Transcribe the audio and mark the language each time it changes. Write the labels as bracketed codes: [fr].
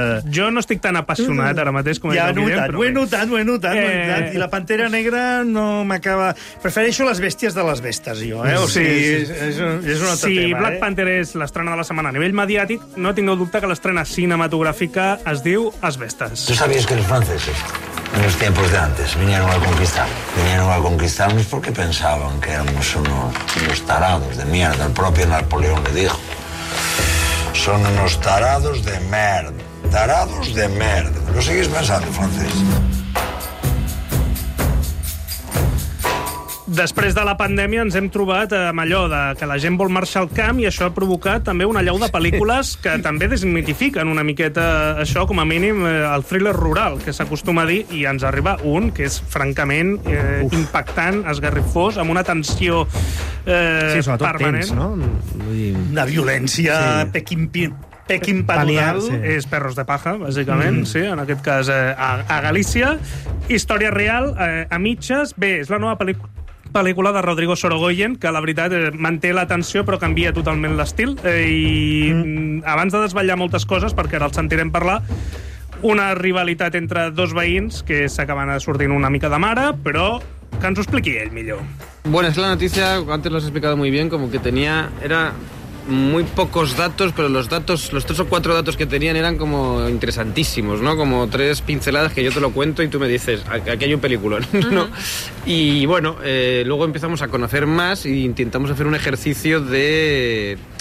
[ca] Jo no estic tan apassionat ara mateix com ja, el Guillem. Ho he notat. I la Pantera Negra no m'acaba... Prefereixo les bèsties de les bestes, jo. És un altre tema. Si Black Panther és l'estrena de la setmana a nivell mediàtic, no tingueu dubte que l'estrena cinematogràfica es diu Asbestas. [es] ¿Tú sabías que los franceses, en los tiempos de antes, vinieron a conquistar? Vinieron a conquistarnos porque pensaban que éramos unos tarados de mierda. El propio Napoleón le dijo: son unos tarados de merda. Tarados de merda. ¿Lo seguís pensando, francés? [ca] Després de la pandèmia ens hem trobat amb allò de que la gent vol marxar al camp i això ha provocat també una allau de pel·lícules que també desmitifiquen una miqueta això, com a mínim, el thriller rural, que s'acostuma a dir, i ens arriba un que és francament impactant, esgarrifós, amb una tensió permanent. Tens, no? Una violència pequimpanal. Sí. És Perros de Paja, bàsicament, sí, en aquest cas a Galícia. Història real, a mitges. Bé, és la nova pel·lícula de Rodrigo Sorogoyen, que la veritat manté l'atenció però canvia totalment l'estil. Abans de desvetllar moltes coses, perquè ara el sentirem parlar, una rivalitat entre dos veïns que s'acaben sortint una mica de mare, però que ens ho expliqui ell millor. [es] Bueno, es la noticia, antes lo has explicado muy bien, como que tenía, era muy pocos datos, pero los datos, los tres o cuatro datos que tenían eran como interesantísimos, ¿no? Como tres pinceladas que yo te lo cuento y tú me dices, aquí hay un peliculón, ¿no? Uh-huh. Y bueno, luego empezamos a conocer más e intentamos hacer un ejercicio de...